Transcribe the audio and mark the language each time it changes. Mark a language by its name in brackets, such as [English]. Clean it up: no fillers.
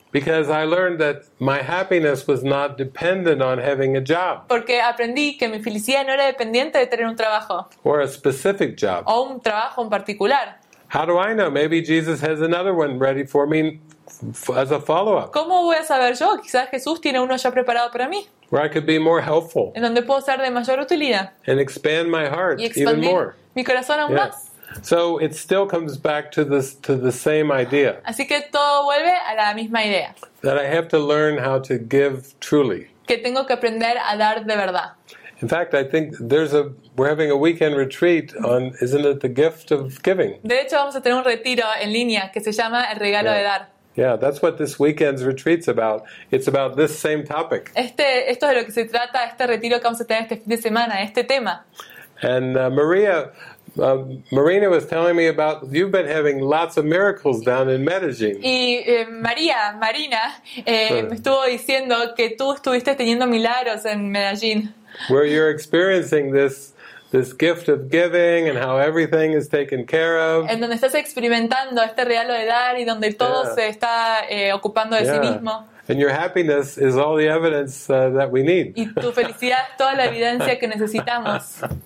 [English] Because I learned that my happiness was not dependent on having a job. [Spanish] Porque aprendí que mi felicidad no era dependiente de tener un trabajo. [English] Or a specific job. [Spanish] O un trabajo en particular. [English] How do I know? Maybe Jesus has another one ready for me as a follow-up. [Spanish] ¿Cómo voy a saber yo? Quizás Jesús tiene uno ya preparado para mí. [English] Where I could be more helpful. [Spanish] En donde puedo ser de mayor utilidad. [English] And expand my heart even more. [Spanish] Y expandir mi corazón aún más. [English] So it still comes back to the same idea. [Spanish] Así que todo vuelve a la misma idea. [English] That I have to learn how to give truly. [Spanish] Que tengo que aprender a dar de verdad. [English] In fact, I think we're having a weekend retreat on, isn't it, the gift of giving? [Spanish] De hecho, vamos a tener un retiro en línea que se llama el regalo de dar. [English] Yeah, that's what this weekend's retreat's about. It's about this same topic. [Spanish] Esto es de lo que se trata este retiro que vamos a tener este fin de semana, este tema. [English] And Marina was telling me about you've been having lots of miracles down in Medellín. [Spanish] Y Marina me estuvo diciendo que tú estuviste teniendo milagros en Medellín. [English] Where you're experiencing this gift of giving and how everything is taken care of. [Spanish] En donde estás experimentando este regalo de dar y donde todo se está ocupando de sí mismo. [English] And your happiness is all the evidence that we need. [Spanish] Y tu felicidad es toda la evidencia que necesitamos.